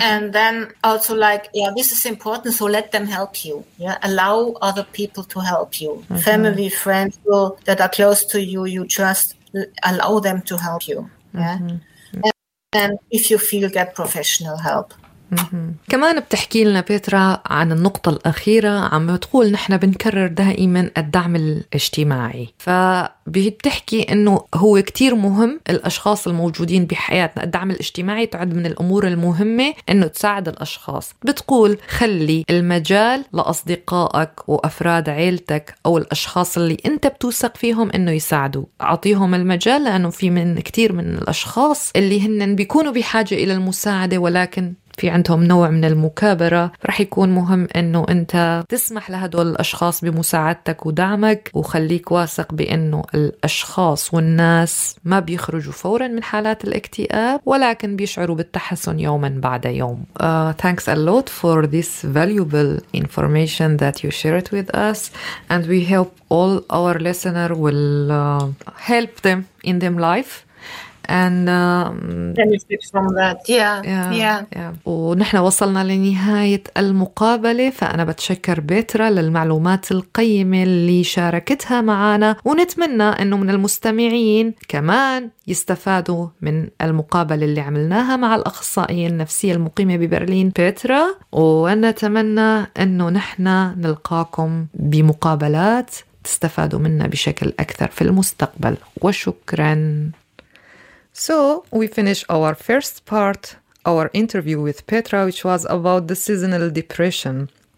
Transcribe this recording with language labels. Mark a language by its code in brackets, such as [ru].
[en] And then also this is important, so let them help you. Yeah, allow other people to help you. Mm-hmm. Family, friends, people that are close to you, you trust, allow them to help you. Yeah, mm-hmm. And if you feel, get professional help. [ar] كمان بتحكي لنا بيترا عن النقطة الأخيرة، عم بتقول نحن بنكرر دائما الدعم الاجتماعي، فبتحكي أنه هو كتير مهم الأشخاص الموجودين بحياتنا. الدعم الاجتماعي تعد من الأمور المهمة أنه تساعد الأشخاص. بتقول خلي المجال لأصدقائك وأفراد عيلتك أو الأشخاص اللي أنت بتوثق فيهم أنه يساعدوا، أعطيهم المجال، لأنه في من كتير من الأشخاص اللي هن بيكونوا بحاجة إلى المساعدة ولكن في عندهم نوع من المكابرة. رح يكون مهم أنه أنت تسمح لهدول الأشخاص بمساعدتك ودعمك، وخليك واثق بأنه الأشخاص والناس ما بيخرجوا فورا من حالات الاكتئاب ولكن بيشعروا بالتحسن يوما بعد يوم. [en] Thanks a lot for this valuable information that you shared with us, and we help all our listeners will help them in their life and benefit from that. Yeah. [ar] ونحن وصلنا لنهاية المقابلة، فأنا بتشكر بيترا للمعلومات القيمة اللي شاركتها معنا، ونتمنى أنه من المستمعين كمان يستفادوا من المقابلة اللي عملناها مع الأخصائية النفسية المقيمة ببرلين بيترا. ونتمنى أنه نحن نلقاكم بمقابلات تستفادوا منا بشكل أكثر في المستقبل. وشكراً. [en] So we finished our first part, our interview with Petra, which was about the seasonal depression.